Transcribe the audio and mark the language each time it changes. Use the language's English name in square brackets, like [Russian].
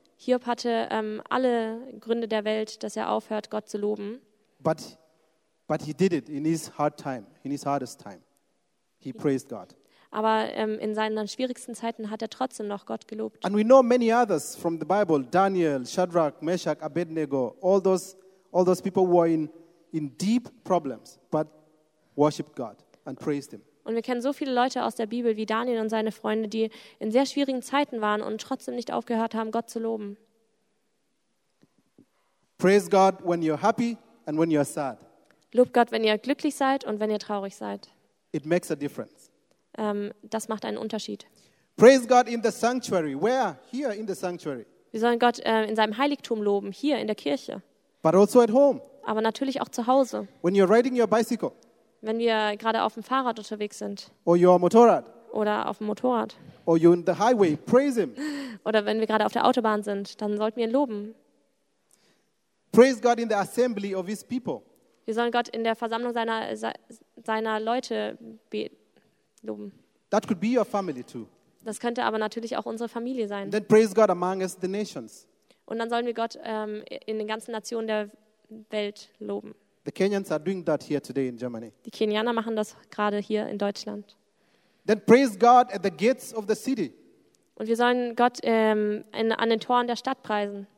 [German] Hiob hatte alle Gründe der Welt, dass er aufhört, Gott zu loben. [English] But he did it in his hard time, in his hardest time. He praised God. [German] Aber in seinen schwierigsten Zeiten hat er trotzdem noch Gott gelobt. [English] And we know many others from the Bible, Daniel, Shadrach, Meshach, Abednego, all those people were in deep problems, but worshiped God and praised him. [German] Und wir kennen so viele Leute aus der Bibel wie Daniel und seine Freunde, die in sehr schwierigen Zeiten waren und trotzdem nicht aufgehört haben, Gott zu loben. [English] Praise God when you're happy and when you're sad. [German] Lobt Gott, wenn ihr glücklich seid und wenn ihr traurig seid. [English] It makes a difference. [German] Das macht einen Unterschied. [English] Praise God in the sanctuary. Where? Here in the sanctuary. [German] Wir sollen Gott in seinem Heiligtum loben, hier in der Kirche. [English] But also at home. [German] Aber natürlich auch zu Hause. [English] When you're riding your bicycle. [German] Wenn wir gerade auf dem Fahrrad unterwegs sind. [English] Or your Motorrad. [German] Oder auf dem Motorrad. [English] Or you're in the highway. Praise him. [German] Oder wenn wir gerade auf der Autobahn sind, dann sollten wir ihn loben. [English] Praise God in the assembly of his people. [German] Wir sollen Gott in der Versammlung seiner Leute loben. [English] That could be your family too. [German] Das könnte aber natürlich auch unsere Familie sein. [English] Then praise God among us, the nations. [German] Und dann sollen wir Gott in den ganzen Nationen der Welt loben. [English] The Kenyans are doing that here today in Germany. [German] Die Kenianer machen das gerade hier in Deutschland. [English] Then praise God at the gates of the city. [German] Und wir sollen Gott an den Toren der Stadt preisen.